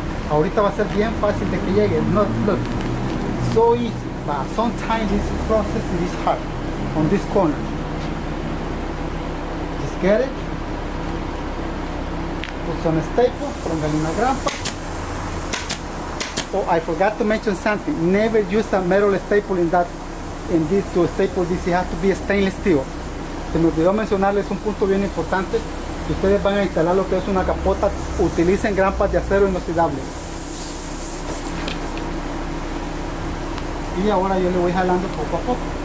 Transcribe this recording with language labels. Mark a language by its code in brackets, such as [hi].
[es] Ahorita va a ser bien fácil de que llegue. [en] Not look, so easy, but sometimes this process is hard on this corner. Just get it? Put some staples from Galina Grampa. Oh, I forgot to mention something. Never use a metal staple to staple this. It has to be stainless steel. [es] Se me olvidó mencionarles un punto bien importante. Si ustedes van a instalar lo que es una capota, utilicen grampas de acero inoxidable. Y ahora yo le voy jalando poco a poco.